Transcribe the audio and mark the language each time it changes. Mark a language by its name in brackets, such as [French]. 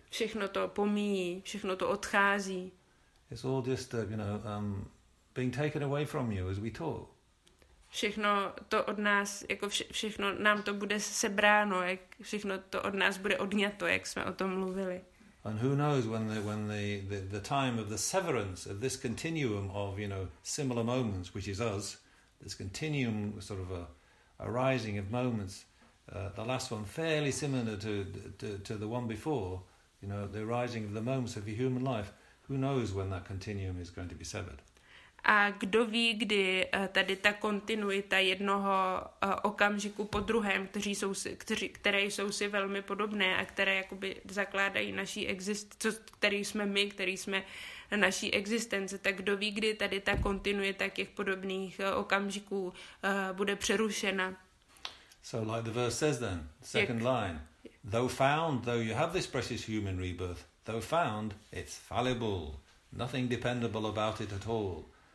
[Czech] Všechno to pomíjí, všechno to odchází. [English] It's all just, you know, being taken away from you as we talk. [Czech] Všechno to od nás, jako všechno nám to bude sebráno, jak všechno to od nás bude odňato, jak jsme o tom mluvili. [English] And who knows when the time of the severance of this continuum of, you know, similar moments, which is us, this continuum sort of a rising of moments the last one fairly similar to the one before, you know, the arising of the moments of your human life, who knows when that continuum is going to be severed. [Czech] A kdo ví, kdy tady ta kontinuita jednoho okamžiku po druhém, které jsou si velmi podobné a které jakoby zakládají naší existenci, který jsme my, který jsme naší existence, tak kdo ví, kdy tady ta kontinuita těch podobných okamžiků bude přerušena. [English] So like the verse says then, second line, though found, though you have this precious human rebirth, though found, it's fallible, nothing dependable about it at all.